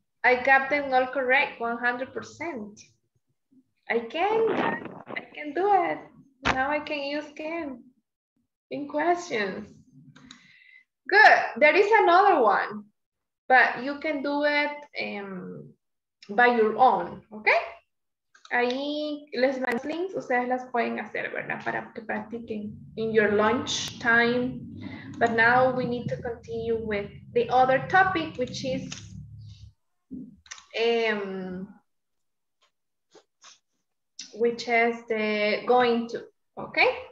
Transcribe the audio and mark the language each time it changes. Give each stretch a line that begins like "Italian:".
English: I got them all correct, 100%. I can do it. Now I can use can in questions. Good, there is another one, but you can do it by your own, okay?
Spanish: Ahí les van links, ustedes las pueden hacer, ¿verdad? Para que practiquen
English: in your lunch time. But now we need to continue with the other topic, which is the going to, okay?